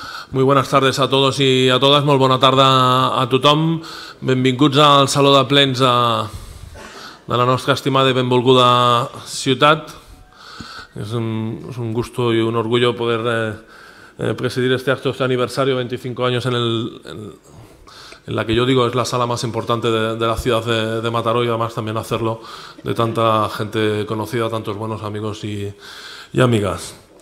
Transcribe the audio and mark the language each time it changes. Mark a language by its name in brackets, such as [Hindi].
[Spanish] Muy buenas tardes a todos y a todas. Muy buena tarde a tothom. [Catalan] Benvinguts al Saló de Plens de la nostra estimada y benvolguda ciutat. [Spanish] Es un gusto y un orgullo poder presidir este acto, este aniversario, 25 años en la que yo digo es la sala más importante de la ciudad de Mataró, y además también hacerlo de tanta gente conocida, tantos buenos amigos y amigas.